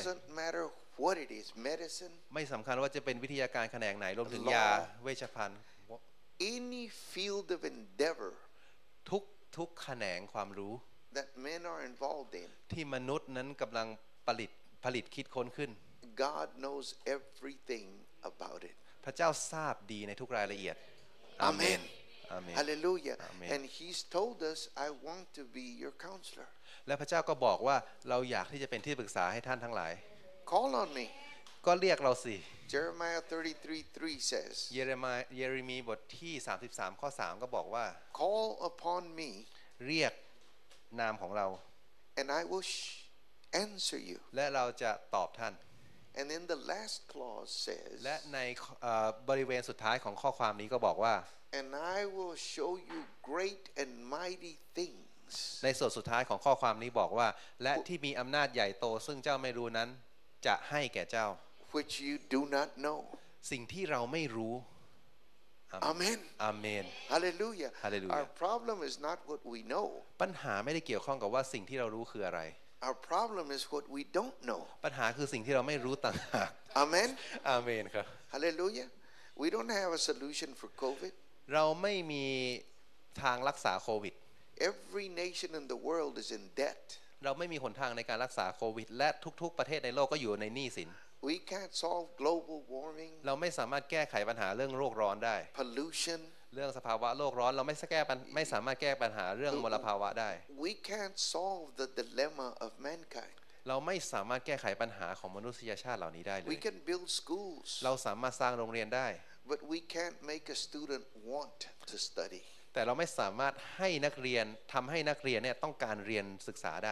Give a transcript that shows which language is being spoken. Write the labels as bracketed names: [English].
[English] It doesn't matter what it is medicine [Thai] ไม่สำคัญว่าจะเป็นวิทยาการแขนงไหนรวมถึงยาเวชภัณฑ์ [English] any field of endeavor [Thai] ทุกแขนงความรู้ [English] that men are involved in [Thai] ที่มนุษย์นั้นกำลังผลิตคิดค้นขึ้น [English] God knows everything about it [Thai] พระเจ้าทราบดีในทุกรายละเอียด [English] Amen Amen Hallelujah and he's told us I want to be your counselor [Thai] และพระเจ้าก็บอกว่าเราอยากที่จะเป็นที่ปรึกษาให้ท่านทั้งหลาย [English] Call on me [Thai] ก็เรียกเราสิ [English] Jeremiah 33:3 says [Thai] เยเรมีย์บทที่33ข้อ3ก็บอกว่า [English] Call upon me [Thai] เรียกนามของเรา [English] And I will answer you [Thai] และเราจะตอบท่าน [English] And then the last clause says. [Thai] และในบริเวณสุดท้ายของข้อความนี้ก็บอกว่า [English] And I will show you great and mighty things. [Thai] ในส่วนสุดท้ายของข้อความนี้บอกว่าและที่มีอำนาจใหญ่โตซึ่งเจ้าไม่รู้นั้นจะให้แก่เจ้า [English] Which you do not know. [Thai] สิ่งที่เราไม่รู้ [English] Amen. Amen. Hallelujah. Hallelujah. Our problem is not what we know. [Thai] ปัญหาไม่ได้เกี่ยวข้องกับว่าสิ่งที่เรารู้คืออะไร [English] Our problem is what we don't know. [Thai] ปัญหาคือสิ่งที่เราไม่รู้ต่างหาก [English] Amen. [Thai] Amen. ครับ [English] Hallelujah. We don't have a solution for COVID. [Thai] เราไม่มีทางรักษาโควิด [English] Every nation in the world is in debt. [Thai] เราไม่มีหนทางในการรักษาโควิดและทุกๆประเทศในโลกก็อยู่ในหนี้สิน [English] We can't solve global warming. [Thai] เราไม่สามารถแก้ไขปัญหาเรื่องโลกร้อนได้ [English] Pollution. [Thai] เรื่องสภาวะโลกร้อนเราไม่สามารถแก้ปัญหาเรื่องมลภาวะได้ [English] We can't solve the dilemma of mankind [Thai] เราไม่สามารถแก้ไขปัญหาของมนุษยชาติเหล่านี้ได้เลย [English] We can build schools [Thai] เราสามารถสร้างโรงเรียนได้ [English] But we can't make a student want to study [Thai] แต่เราไม่สามารถให้นักเรียนทำให้นักเรียนเนี่ยต้องการเรียนศึกษาได